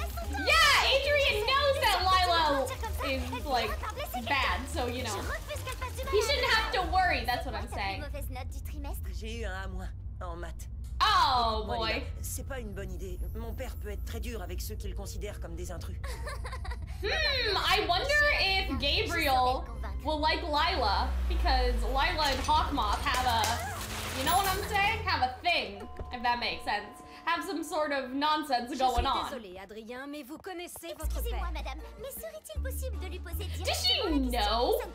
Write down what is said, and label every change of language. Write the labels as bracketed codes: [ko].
[en] Yeah, Adrian knows that Lila is, like, bad, so, you know. He shouldn't have to worry, that's what I'm saying. [fr] J'ai eu un à moins en maths. [en] Oh boy. [fr] C'est pas une bonne idée. Mon père peut être très dur avec ceux qu'il considère comme des intrus. [en] I wonder if Gabriel will like Lila, because Lila and Hawkmoth have a, you know what I'm saying? Have a thing, if that makes sense. Have some sort of nonsense going on. [fr] Adrien, mais vous connaissez votre père. Excusez-moi, madame, mais serait-il possible de lui poser directement?